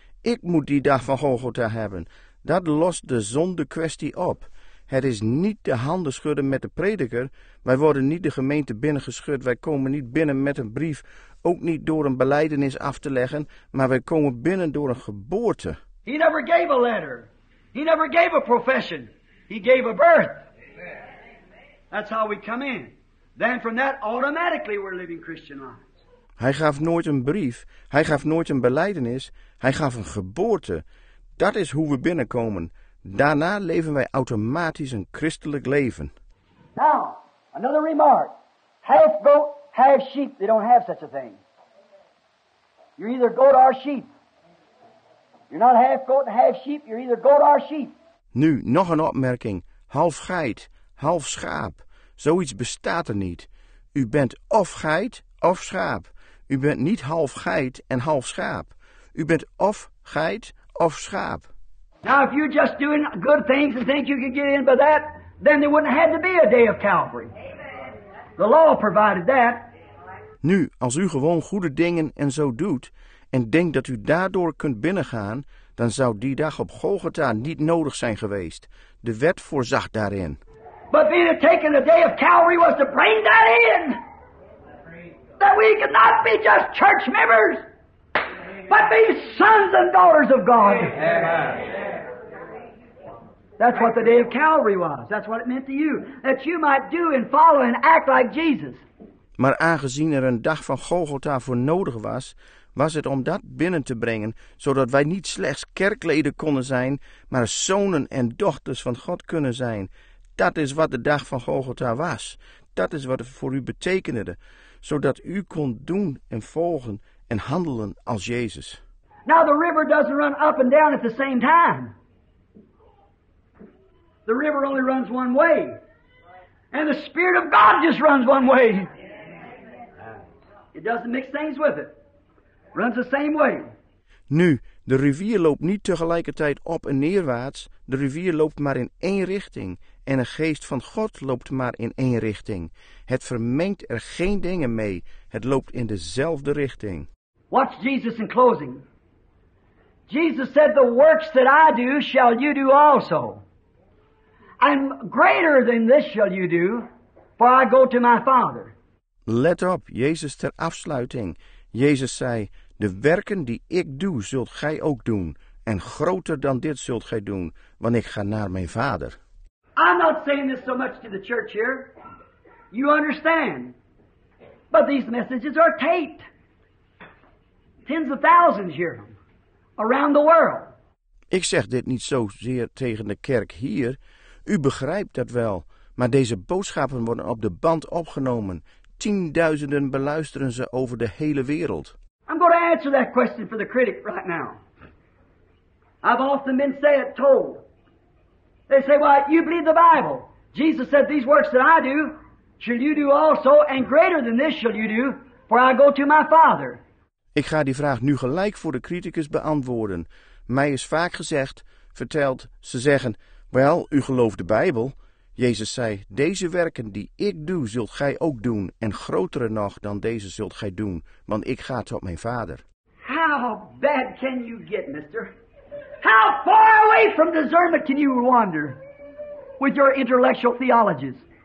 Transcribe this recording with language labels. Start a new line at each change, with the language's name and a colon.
Dutch: Ik moet die dag van Golgotha hebben. Dat lost de zonde kwestie op. Het is niet de handen schudden met de prediker. Wij worden niet de gemeente binnengeschud. Wij komen niet binnen met een brief. Ook niet door een belijdenis af te leggen. Maar wij komen binnen door een geboorte.
English: He never gave a letter. He never gave a profession. He gave a birth. That's how we come in. Then from that automatically we're living Christian lives.
Dutch: Hij gaf nooit een brief. Hij gaf nooit een belijdenis. Hij gaf een geboorte. Dat is hoe we binnenkomen. Daarna leven wij automatisch een christelijk leven.
English: Now, another remark. Half goat, half sheep, they don't have such a thing. You're either goat or sheep. You're not half goat, half sheep, you're either goat or sheep.
Dutch: Nu, nog een opmerking. Half geit, half schaap. Zoiets bestaat er niet. U bent of geit of schaap. U bent niet half geit en half schaap. U bent of geit of schaap.
English: Now if you're just doing good things and think you can get in by that, then there wouldn't have to be a day of Calvary. The law provided that.
Dutch: Nu, als u gewoon goede dingen en zo doet en denkt dat u daardoor kunt binnengaan, dan zou die dag op Golgotha niet nodig zijn geweest. De wet voorzag daarin.
English: But being taken the day of Calvary was to bring that in. That we could not be just church members, but be sons and daughters of God. Amen. That's what the day of Calvary was. That's what it meant to you. That you might do and follow and act like Jesus.
Dutch: Maar aangezien er een dag van Golgotha voor nodig was, was het om dat binnen te brengen, zodat wij niet slechts kerkleden konden zijn, maar zonen en dochters van God kunnen zijn. Dat is wat de dag van Golgotha was. Dat is wat het voor u betekende. Zodat u kon doen en volgen en handelen als Jezus.
English: Now the river doesn't run up and down at the same time. The river only runs one way. And the Spirit of God just runs one way. It doesn't mix things with it. Runs the same way.
Dutch: Nu, de rivier loopt niet tegelijkertijd op en neerwaarts. De rivier loopt maar in één richting. En de geest van God loopt maar in één richting. Het vermengt er geen dingen mee. Het loopt in dezelfde richting.
English: Watch Jesus in closing. Jesus said, the works that I do shall you do also. And greater than this shall you do, for I go to my Father.
Dutch: Let op, Jezus ter afsluiting. Jezus zei, de werken die ik doe zult gij ook doen. En groter dan dit zult gij doen, want ik ga naar mijn Vader.
English: I'm not saying this so much to the church here. You understand. But these messages are taped. Tens of thousands hear them around the world.
Dutch: Ik zeg dit niet zozeer tegen de kerk hier. U begrijpt dat wel. Maar deze boodschappen worden op de band opgenomen. Tienduizenden beluisteren ze over de hele wereld.
English: I'm going to answer that question for the critic right now. I've often been said, told. They say, well, you believe the Bible. Jesus said, these works that I do, shall you do also, and greater than this shall you do, for I go to my Father.
Dutch: Ik ga die vraag nu gelijk voor de criticus beantwoorden. Mij is vaak gezegd, verteld, ze zeggen, wel, u gelooft de Bijbel. Jezus zei, deze werken die ik doe, zult gij ook doen, en grotere nog dan deze zult gij doen, want ik ga tot mijn Vader.
English: How bad can you get, mister? How far away from discernment can you wander with your intellectual theologies?